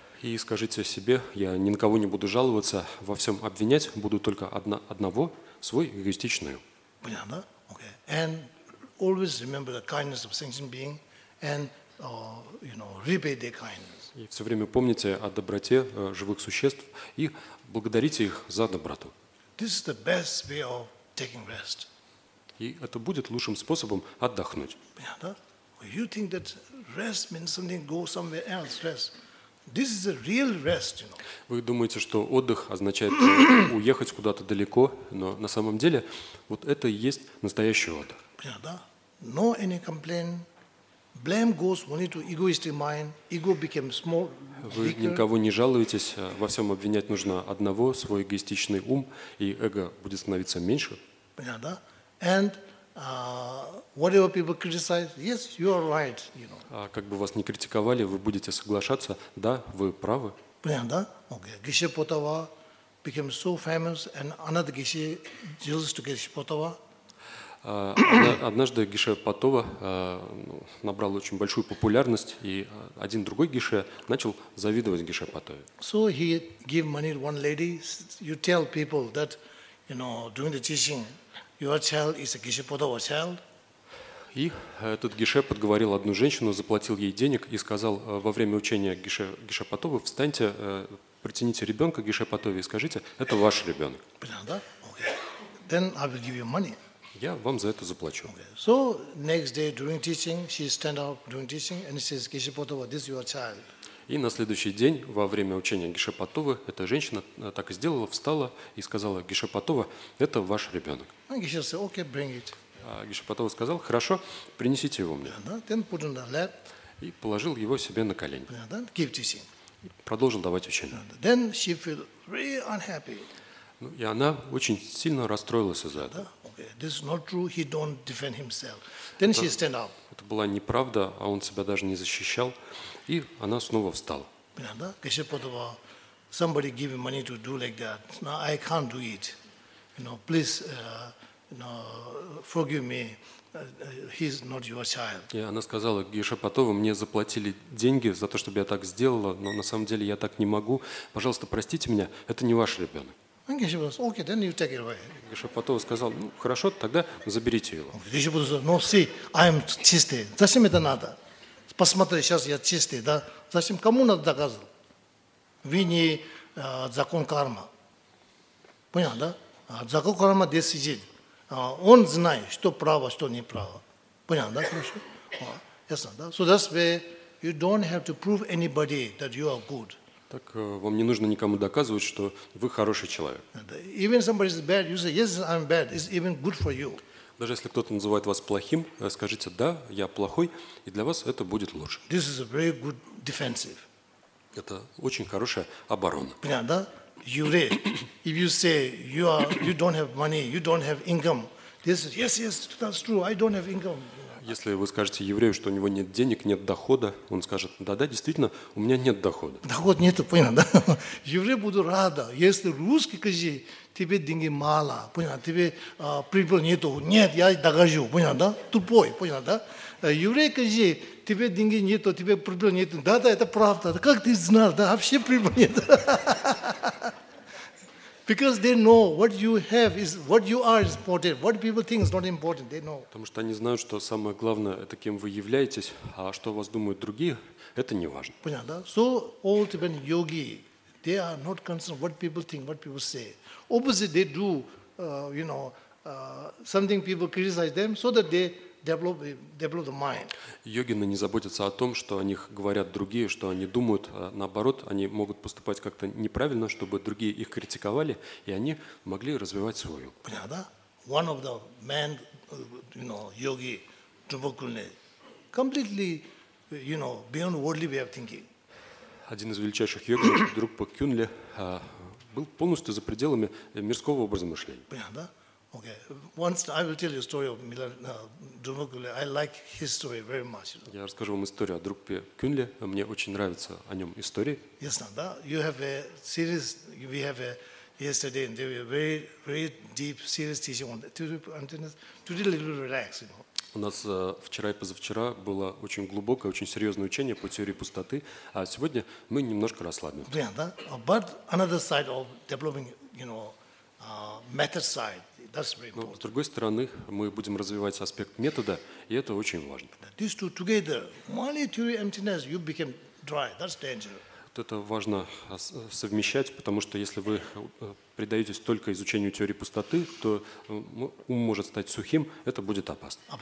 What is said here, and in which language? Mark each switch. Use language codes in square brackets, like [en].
[ru] И скажите себе, я ни на кого не буду жаловаться, во всем обвинять буду только одного, свой эгоистичную. Понятно? [en] Okay. And always remember the kindness of sentient being and, you know, repay their kindness. [ru] И все время помните о доброте живых существ и благодарите их за доброту. [en] This is the best way of taking rest. [ru] И это будет лучшим способом отдохнуть. [en] Yeah, you think that rest means something, go somewhere else, rest. This is a real rest, you know. [ru] Вы думаете, что отдых означает уехать куда-то далеко, но на самом деле вот это и есть настоящий отдых. [en] Yeah, no any complaint. Blame goes only to egoistic mind. Ego became small. [ru] Вы никого не жалуетесь, во всем обвинять нужно одного, свой эгоистичный ум, и эго будет становиться меньше. Понятно? [en] And whatever people criticize, yes, you are right, you know. [ru] А как бы вас ни критиковали, вы будете соглашаться, да, вы правы. Понятно? [en] Okay. Geshe Potawa became so famous, and another Geshe jealous to Geshe Potawa. [ru] Однажды Геше Потова набрал очень большую популярность, и один другой Геше начал завидовать Геше Потове. [en] So he gave money to one lady. You tell people that, you know, doing the teaching, your child is a Геше Потова child. [ru] И этот Геше подговорил одну женщину, заплатил ей денег и сказал во время учения Геше Потовы, встаньте, притяните ребенка Геше Потове и скажите, это ваш ребенок. Понятно? [en] Okay. Then I will give you money. [ru] Я вам за это заплачу. [en] So next day during teaching, she stand up during teaching and says, Geshe Potawa, this is your child. [ru] И на следующий день во время учения Геше Потовы эта женщина так и сделала, встала и сказала, Геше Потова, это ваш ребенок. [en] And Geshe said, okay, bring it. [ru] А Геше Потова сказал, хорошо, принесите его мне. [en] Then put on the lap. [ru] И положил его себе на колени. [en] Keep teaching. [ru] И продолжил давать учение. [en] Then she feel really unhappy. [ru] Ну, и она очень сильно расстроилась из-за этого. [en] This is not true. He don't defend himself. Then she stand up. [ru] Это была неправда, а он себя даже не защищал, и она снова встала. Понятно? [en] Geshe Potawa, somebody give me money to do like that. Now I can't do it. You know, please, you know, forgive me. He's not your child. [ru] И она сказала: Геше Потова, мне заплатили деньги за то, чтобы я так сделала, но на самом деле я так не могу. Пожалуйста, простите меня. Это не ваш ребенок. [en] And Geshe Potawa said, okay, then you take it away. [ru] Geshe Potawa сказал, ну, хорошо, тогда заберите его. [en] Geshe Potawa said, no, see, I am [ru] чистый. Зачем это надо? Посмотри, сейчас я чистый, да? Зачем? Кому надо доказывать? Вы не закон кармы. Понятно, да? Закон кармы [en] decision. [ru] Он знает, что право, что не право. Понятно, да? Хорошо? Ясно, да? [en] So that's where you don't have to prove anybody that you are good. [ru] Так вам не нужно никому доказывать, что вы хороший человек. [en] Even somebody is bad, you say, yes, I'm bad. It's even good for you. [ru] Даже если кто-то называет вас плохим, скажите, да, я плохой, и для вас это будет лучше. [en] This is a very good defensive. [ru] Это очень хорошая оборона. Понятно, да? Еврей. [en] If you say you are, you don't have money, you don't have income, this is, yes, yes, that's true, I don't have income. [ru] Если вы скажете еврею, что у него нет денег, нет дохода, он скажет, да-да, действительно, у меня нет дохода. Доход нету, понял, да? Евреи будут рады. Если русский, скажи, тебе деньги мало, понял, тебе прибыль нету. Нет, я докажу, понял, да? Тупой, понял, да? Еврей, скажи, тебе деньги нету, тебе прибыль нету. Да-да, это правда. Как ты знал, да, вообще прибыль нету? [en] Because they know what you have is what you are is important. What people think is not important. They know. [ru] Потому что они знают, что самое главное это кем вы являетесь, а что вас думают другие, это не важно. Понятно? [en] So all Tibetan yogi, they are not concerned what people think, what people say. Opposite, they do, you know, something people criticize them so that they develop the mind. [ru] Йогины не заботятся о том, что о них говорят другие, что они думают. Наоборот, они могут поступать как-то неправильно, чтобы другие их критиковали, и они могли развивать свою. Понятно? One of the men, you know, yogi, Drupakulne, completely, you know, beyond worldly way of thinking. Один из величайших йогов, Друкпа-Кюнле, был полностью за пределами мирского образа мышления. Понятно? [en] Okay. Once I will tell you a story of Drupakulne. I like his story very much. You know? [ru] Я расскажу вам историю о Друкпе-Кюнле. Мне очень нравится о нем истории. [en] Yes, no, you have a series, we have a yesterday, and there were very, very deep, serious teaching on that. Today, a little relaxed, you know. [ru] У нас вчера и позавчера было очень глубокое, очень серьезное учение по теории пустоты, а сегодня мы немножко расслабим. [en] Yeah, [ru] да? [en] But another side of developing, you know, method side, that's very important. [ru] Но, с другой стороны, мы будем развивать аспект метода, и это очень важно. [en] These two together, money, theory, emptiness, you become dry, that's dangerous. [ru] Это важно совмещать, потому что если вы предаетесь только изучению теории пустоты, то ум может стать сухим, это будет опасно.